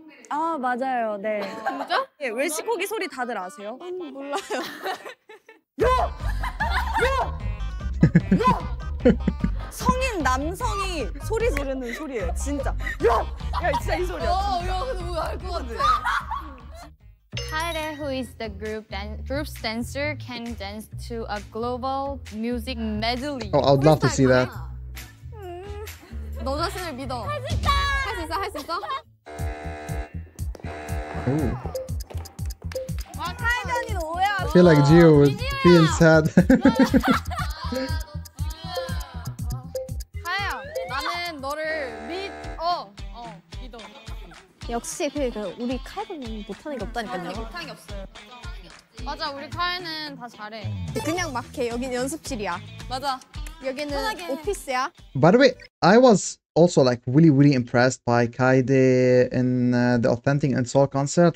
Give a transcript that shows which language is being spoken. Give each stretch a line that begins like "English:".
Korean: 아 맞아요. 네. 진짜? 예, 웰시코기 소리 다들 아세요? 몰라요. 요! 요! 요! 성인 남성이 소리 지르는 소리예요. 진짜. 요! 야, 진짜 이 소리야. 아, 야, 근데 뭐 알 것 같아.
English: Kaede, who is the group's dancer, can dance to a global music medley. Oh, I would love to see that.
Korean: 너 자신을 믿어. 할 수 있다! 할 수 있어, 할 수 있어? 와, 카이드 언니 오해하고.
English: I feel like Jiwoo would feel sad.
Korean: 카이야, 나는 너를 믿어. 어, 믿어. 역시 그 우리 카이드는 못하는 게 없다니까요. 못하는 게 없어요. 맞아, 우리 카이는 다 잘해. 그냥 막 해. 여긴 연습실이야. 맞아. 여기는 오피스야.
English: By the way, I was also like really really impressed by Kaede in the Authentic and Soul concert.